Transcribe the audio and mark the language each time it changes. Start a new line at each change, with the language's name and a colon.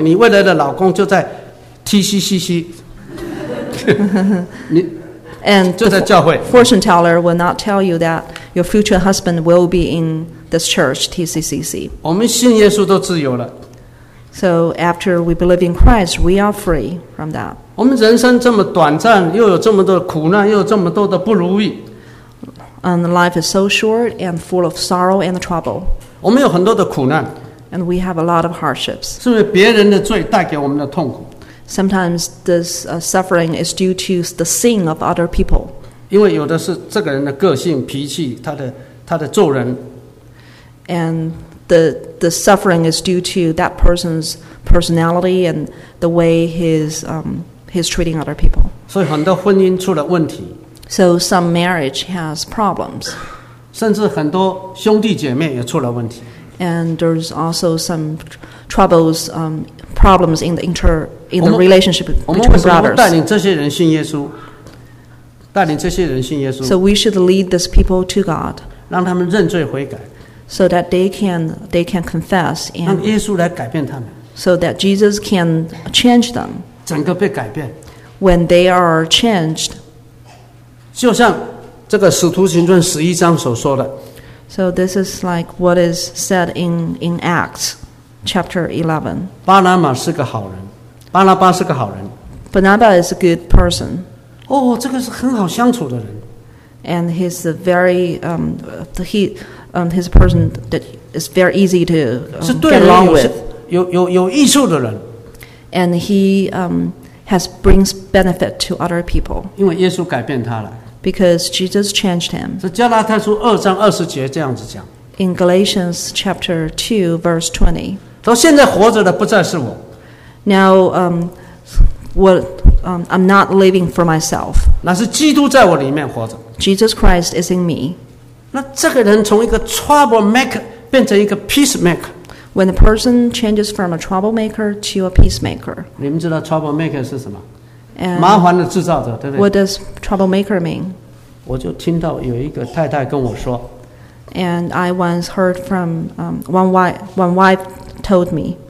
Chinese: 上那个算命绝对不会告诉你，你未来的老公就在TCCC。就在教会。
English: Fortune teller will not tell you that your future husband will be in this church TCCC.
Chinese: 我们信耶稣都自由了。
English: So after we believe in Christ, we are free from that.
Chinese: 我们人生这么短暂，又有这么多苦难，又有这么多的不如意。
English: And life is so short and full of sorrow and trouble.
Chinese: 我们有很多的苦难。
English: and we have a lot of hardships.
Chinese: 是不是别人的罪带给我们的痛苦？
English: Sometimes this suffering is due to the sin of other people.
Chinese: 因为有的是这个人的个性、脾气、他的做人。
English: And the suffering is due to that person's personality and the way he's treating other people.
Chinese: 所以很多婚姻出了问题。
English: So some marriage has problems.
Chinese: 甚至很多兄弟姐妹也出了问题。
English: And there's also some troubles, problems in the the relationship between brothers.
Chinese: 带领这些人信耶稣，带领这些人信耶稣。
English: So we should lead these people to God.
Chinese: 让他们认罪悔改。
English: So that they can confess and.
Chinese: 让耶稣来改变他们。
English: So that Jesus can change them.
Chinese: 整个被改变。
English: When they are changed.
Chinese: 就像这个《使徒行传》十一章所说的。
English: So this is like what is said in Acts chapter 11.
Chinese: 巴拿马是个好人，巴拿巴是个好人。
English: Barnabas is a good person.
Chinese: 哦，这个是很好相处的人。
English: And he's a very he's a person that is very easy to get along with.
Chinese: 有益处的人。
English: And he brings benefit to other people.
Chinese: 因为耶稣改变他了。
English: Because Jesus changed him.
Chinese: 是加拉太书二章二十节这样子讲。
English: In Galatians chapter 2 verse 20.
Chinese: 说现在活着的不再是我。
English: Now, I'm not living for myself.
Chinese: 那是基督在我里面活着。
English: Jesus Christ is in me.
Chinese: 那这个人从一个 troublemaker 变成一个 peacemaker.
English: When a person changes from a troublemaker to a peacemaker.
Chinese: 你们知道 troublemaker 是什么？麻烦的制造者，对不对？
English: What does troublemaker mean?
Chinese: 我就听到有一个太太跟我说。
English: And I once heard from one wife told me.